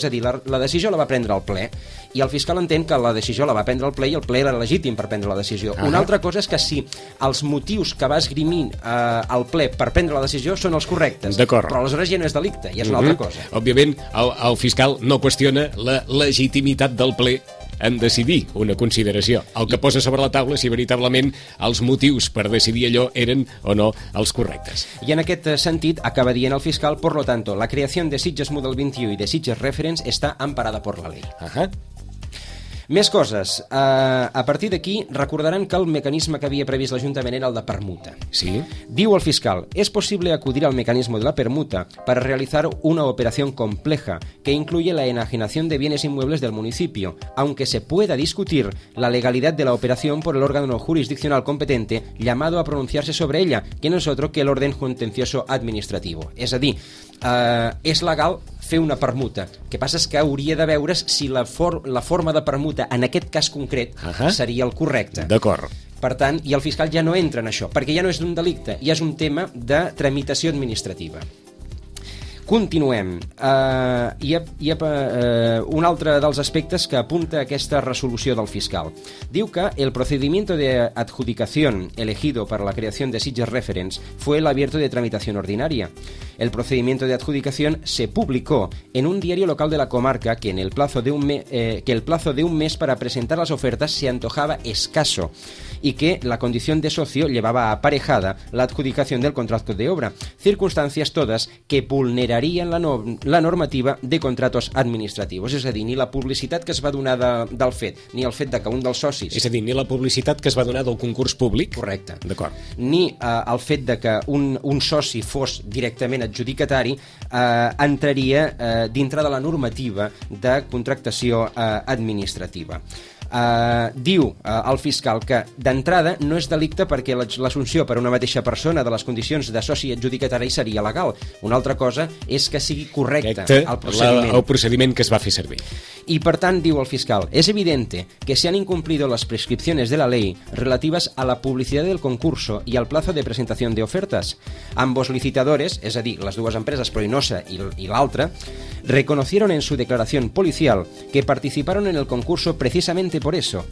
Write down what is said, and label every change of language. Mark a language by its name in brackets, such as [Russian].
[Catalan] És a dir, la decisió la va prendre el ple, i el fiscal entén que la decisió la va prendre el ple i el ple era legítim per prendre la decisió. Una altra cosa és que si els motius que va esgrimir el ple per prendre la decisió són els correctes. D'acord. Però aleshores ja no és delicte, ja és una altra cosa. Òbviament, el fiscal no qüestiona la legitimitat del ple en decidir una consideració. El que posa sobre la taula si veritablement els motius per decidir allò eren o no els correctes. I en aquest sentit acaba dient el fiscal: [Spanish] por lo tanto, la creación de Sitges Model 21 y de Sitges Reference está amparada por la ley. Ajá. [Catalan] Més coses. A partir d'aquí, recordaran que el mecanisme que havia previst l'Ajuntament era el de permuta. Sí. Diu el fiscal: [Spanish] es posible acudir al mecanismo de la permuta para realizar una operación compleja que incluye la enajenación de bienes inmuebles del municipio, aunque se pueda discutir la legalidad de la operación por el órgano jurisdiccional competente llamado a pronunciarse sobre ella, que no es otro que el orden contencioso administrativo. [Catalan] És a dir, és legal fer una permuta. El que passa és que hauria de veure's si la forma de permuta en aquest cas concret seria el correcte. D'acord. Per tant, i el fiscal ja no entra en això, perquè ja no és un delicte, ja és un tema de tramitació administrativa. Continuem. Un altre dels aspectes que apunta aquesta resolució del fiscal. Diu que [Spanish] el procedimiento de adjudicación elegido para la creación de Sitges Reference fue el abierto de tramitación ordinaria. El procedimiento de adjudicación se publicó en un diario local de la comarca que en el plazo de un que el plazo de un mes para presentar las ofertas se antojaba escaso y que la condición de socio llevaba aparejada la adjudicación del contrato de obra, circunstancias todas que vulnerarían la normativa de contratos administrativos. [Catalan] És a dir, ni la publicitat que es va donar del fet, ni el fet de que un dels socis... És a dir, ni la publicitat que es va donar del concurs públic... Correcte. D'acord. Ni el fet de que un soci fos directament adjudicatari entraria dintre de la normativa de contractació administrativa. Diu el fiscal que d'entrada no és delicte perquè l'assumpció per una mateixa persona de les condicions de soci adjudicatari seria legal. Una altra cosa és que sigui correcte el procediment. El procediment que es va fer servir. I per tant, diu el fiscal, [Spanish] és evidente que se han incumplido las prescripciones de la ley relativas a la publicidad del concurso y al plazo de presentación de ofertas. Ambos licitadores, [Catalan] és a dir, les dues empreses, [Spanish] Proinosa [Catalan] i l'altra, [Spanish] reconocieron en su declaración policial que participaron en el concurso precisamente por eso.